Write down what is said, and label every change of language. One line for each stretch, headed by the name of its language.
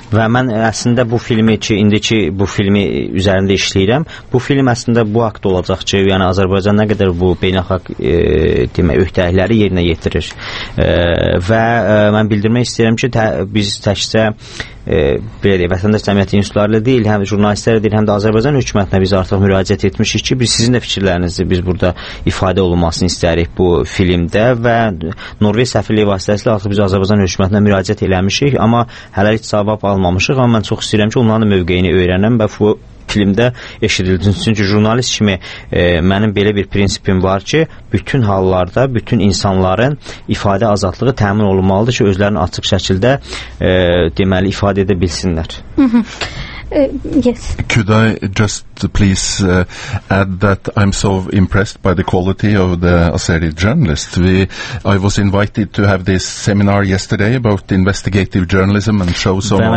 Azerbaijani: Və Və mən əslində bu filmi ki, indiki bu filmi üzərində işləyirəm. Bu film əslində bu haqda olacaq ki, yəni Azərbaycan nə qədər bu beynəlxalq demək öhdəlikləri yerinə yetirir. Və mən bildirmək istəyirəm ki, biz təkcə belə deyək, vətəndaş cəmiyyəti institutlarıyla deyil, həm jurnalistlərlə deyil, həm də Azərbaycan hökumətinə biz artıq müraciət etmişik ki, biz sizin də fikirlərinizi biz burada ifadə olunmasını istəyirik bu filmdə və Norveç səfirliyi vasitəsilə artıq biz Azərbaycan hökumətinə müraciət eləmişik, amma hələlik cavab almamışıq, amma mən çox istəyirəm ki, onların mövqeyini öyrənəm və bu filmdə eşidildiniz. Çünki jurnalist kimi mənim belə bir prinsipim var ki, bütün hallarda bütün insanların ifadə azadlığı təmin olunmalıdır ki, özlərini açıq şəkildə deməli ifadə edə bilsinlər.
English: Yes. Could I just please add that I'm so impressed by the quality of the Azeri journalist. I was invited to have this seminar yesterday about investigative journalism and show some of my documentaries.